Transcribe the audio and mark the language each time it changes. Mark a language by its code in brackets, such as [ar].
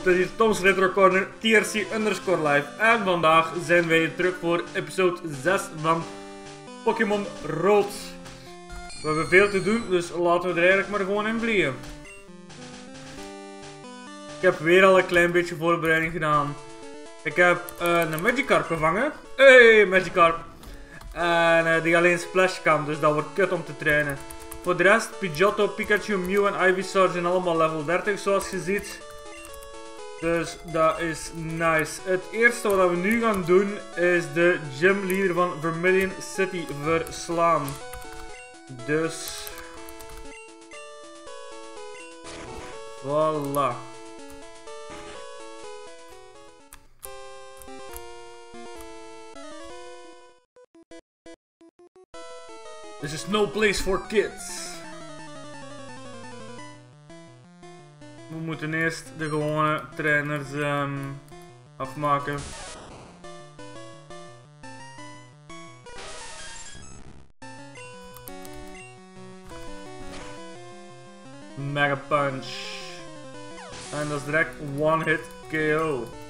[nl] Dit is Tom's Retro Corner, TRC underscore live. En vandaag zijn wij terug voor episode 6 van Pokémon Rood. We hebben veel te doen, dus laten we er eigenlijk maar gewoon in vliegen. Ik heb weer al een klein beetje voorbereiding gedaan. Ik heb een Magikarp gevangen. Hey Magikarp! En die alleen Splash kan, dus dat wordt kut om te trainen. Voor de rest, Pidgeotto, Pikachu, Mew en Ivysaur zijn allemaal level 30 zoals je ziet. Dus dat is nice. Het eerste wat we nu gaan doen is de gym leader van Vermilion City verslaan. Dus... voilà. [en] This is no place for kids. [nl] We moeten eerst de gewone trainers afmaken. Mega Punch. En dat is direct one hit KO.